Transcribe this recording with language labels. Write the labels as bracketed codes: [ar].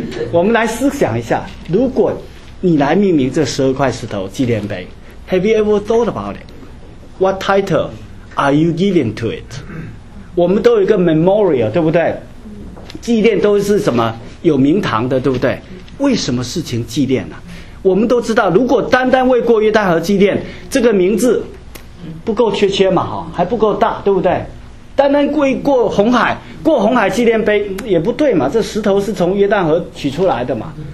[zh] 我们来思想一下，如果你来命名这十二块石头纪念碑 ， [en] Have you ever thought about it? What title are you giving to it? [zh] 我们都有一个 memorial， 对不对？纪念都是什么有名堂的，对不对？为什么事情纪念呢、啊？我们都知道，如果单单为过约旦河纪念这个名字，不够缺缺嘛，哈，还不够大，对不对？单单为过红海，过红海纪念碑也不对嘛，这石头是从约旦河取出来的嘛。